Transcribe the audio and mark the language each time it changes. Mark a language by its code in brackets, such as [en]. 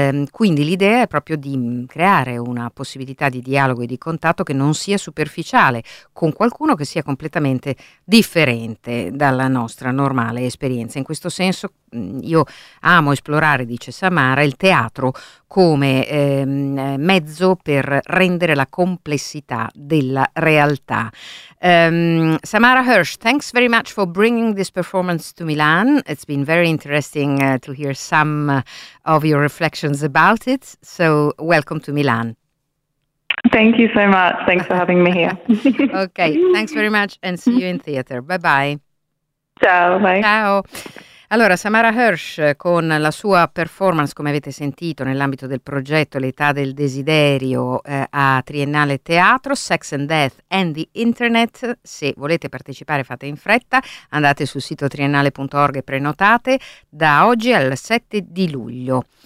[it] Quindi l'idea è proprio di creare una possibilità di dialogo e di contatto che non sia superficiale, con qualcuno che sia completamente differente dalla nostra normale esperienza. In questo senso io amo esplorare, dice Samara, il teatro come mezzo per rendere la complessità della realtà. [en] Samara Hirsch, thanks very much for bringing this performance to Milan. It's been very interesting to hear some of your reflections about it. So, welcome to Milan. Thank you so much. Thanks for having me here. Okay, thanks very much and see you in theater. Bye bye. [it] Ciao. [en] Bye. [it] Ciao. Allora, Samara Hirsch con la sua performance, come avete sentito, nell'ambito del progetto L'età del desiderio a Triennale Teatro, Sex and Death and the Internet. Se volete partecipare, fate in fretta, andate sul sito triennale.org e prenotate da oggi al 7 di luglio.